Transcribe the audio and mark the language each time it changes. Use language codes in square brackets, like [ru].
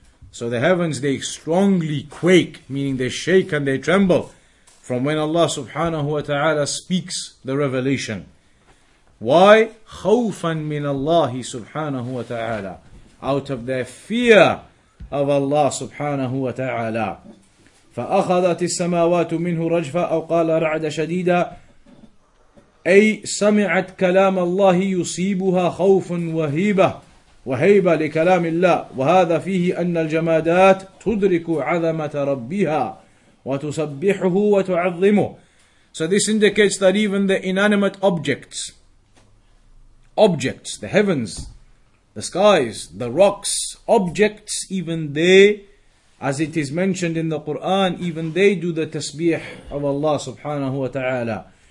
[en] So the heavens they strongly quake, meaning they shake and they tremble from when Allah subhanahu wa ta'ala speaks the revelation. Why? [ar] خَوْفًا مِنَ اللَّهِ سُبْحَانَهُ وَتَعَالَى. [en] Out of their fear of Allah subhanahu wa ta'ala. [ar] فَأَخَذَتِ السَّمَاوَاتُ مِنْهُ رَجْفًا أَوْ قَالَ رَعْدَ شَدِيدًا أي سمعت كلام الله يصيبها خوف وهيبة وهيبة لكلام الله وهذا فيه أن الجمادات تدرك عظمة ربها وتسبحه وتعظمه. [en] So this indicates that even the inanimate objects, the heavens, the skies, the rocks, objects, even they, as it is mentioned in the Quran, even they do the tasbih of Allah subhanahu wa ta'ala.